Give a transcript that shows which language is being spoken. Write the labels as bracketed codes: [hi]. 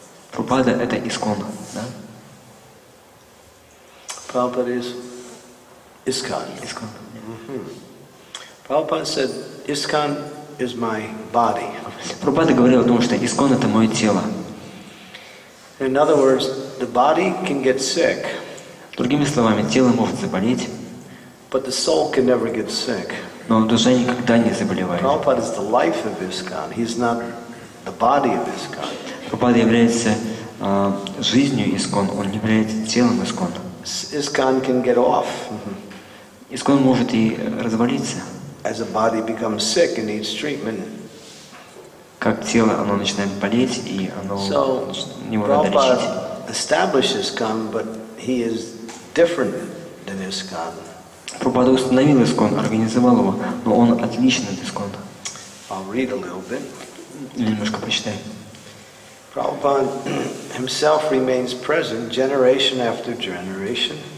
[ru] Прабхупада это искон, да? [en] Prabhupada is ISKCON. ISKCON. Mm-hmm. Prabhupada said, ISKCON is my body. [ru] Прабхупада говорил о том, что ISKCON — это мое тело. [en] In other words, the body can get sick. [ru] Другими словами, тело может заболеть. [en] But the soul can never get sick. [ru] Но душа никогда не заболевает. [en] Prabhupada is the life of ISKCON. He's not the body of ISKCON. [ru] Прабхупада является жизнью ISKCON. Он не является телом ISKCON. [en] ISKCON can get off. [ru] ISKCON может и развалиться. [en] As a body becomes sick and needs treatment. [ru] Как тело, оно начинает болеть и оно не может лечить. [en] So Prabhupada established ISKCON, but he is different than ISKCON. [ru] Прабхупада установил ISKCON, организовал его, но он отличен от ISKCON. [en] I'll read a little bit. [ru] Немножко почитай. [en] Prabhupada himself remains present generation after generation.